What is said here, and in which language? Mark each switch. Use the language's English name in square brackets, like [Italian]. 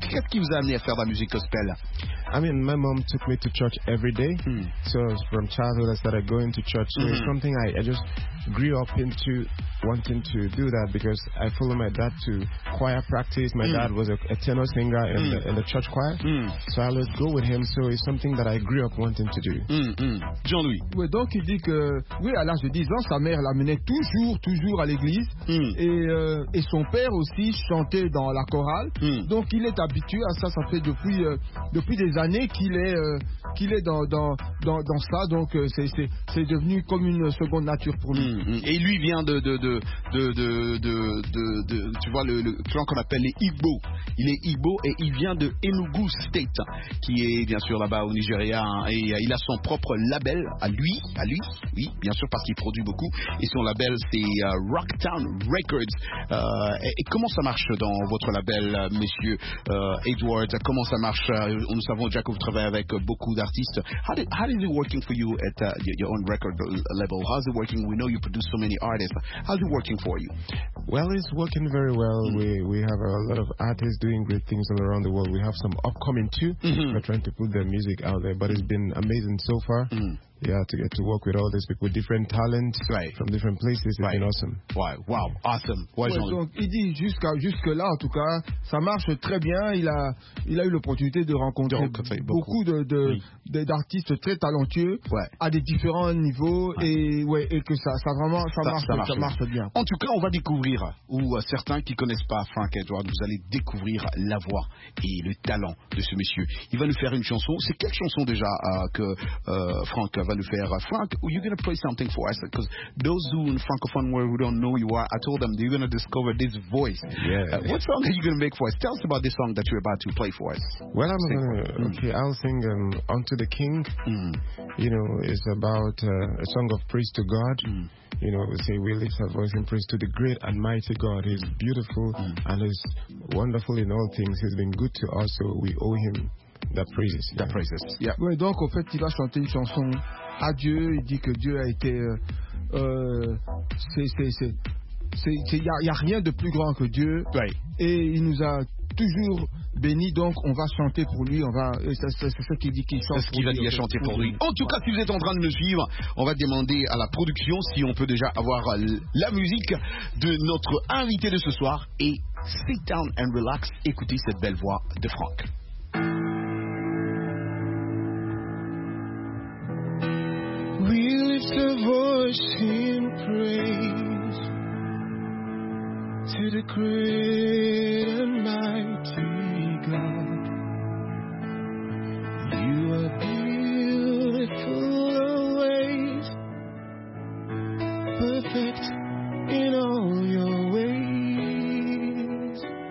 [French] Qu'est-ce qui vous a amené à faire la musique gospel? [English] I mean, my mom took me to church every day. So from childhood, I started going to church. So it's something I just grew up into wanting to do that because I followed my dad to choir practice. My dad was a tenor singer in the church choir. So I always go with him. So it's something that I grew up wanting to do. [French] Jean-Louis. Oui, donc il dit que, oui, à l'âge de 10 ans, sa mère l'amenait toujours à l'église. Et son père aussi chantait dans la chorale. Donc il est habitué à ça. Ça fait depuis des années qu'il est dans ça. Donc c'est devenu comme une seconde nature pour lui. Et lui vient de tu vois le clan qu'on appelle les Igbo. Il est Igbo et il vient de Enugu State, qui est bien sûr là-bas au Nigeria. Et il a son propre label à lui, oui, bien sûr, parce qu'il produit beaucoup. Et son label, c'est Rocktown Records. Et comment ça marche dans votre label, monsieur Edward? Comment ça marche? Nous savons déjà que vous travaillez avec beaucoup d'artistes. [English] How is it working for you at your own record label? How is it working? We know you produce so many artists. How's it working for you? Well, it's working very well. We have a lot of artists doing great things all around the world. We have some upcoming too. We're trying to put their music out there, but it's been amazing so far. Yeah, to get to work with all these people, different talents, right, from different places, it's been awesome. Wow, awesome. Ouais, [French] donc, il dit jusque-là, en tout cas, ça marche très bien. Il a eu l'opportunité de rencontrer beaucoup d'artistes très talentueux à des différents niveaux et que ça marche bien. En tout cas, on va découvrir, ou certains qui ne connaissent pas Frank Edward, vous allez découvrir la voix et le talent de ce monsieur. Il va nous faire une chanson. C'est quelle chanson déjà Frank va nous faire? [English] Frank, are you going to play something for us? Because those who in Francophone world who don't know you are, I told them they're going to discover this voice. Yeah. What song are you going to make for us? Tell us about this song that you're about to play for us. Well, I'm going to... Okay, I'll sing Unto the King. Mm. You know, it's about a song of praise to God. Mm. You know, we say we lift our voice in praise to the great and mighty God. He's beautiful and is wonderful in all things. He's been good to us, so we owe him the praises. Yeah. [French] Ouais, donc en fait, il va chanter une chanson à Dieu. Il dit que Dieu a été il y a rien de plus grand que Dieu. [English] Right. [French] Et il nous a toujours béni, donc on va chanter pour lui, c'est ce qu'il dit qu'il chante. C'est ce qu'il va dire, chanter pour lui. En tout cas, si vous êtes en train de me suivre, on va demander à la production si on peut déjà avoir la musique de notre invité de ce soir et [English] sit down and relax, [French] écoutez cette belle voix de Franck. [English] We lift a voice in praise to the great and mighty God. You are beautiful always, perfect in all your ways.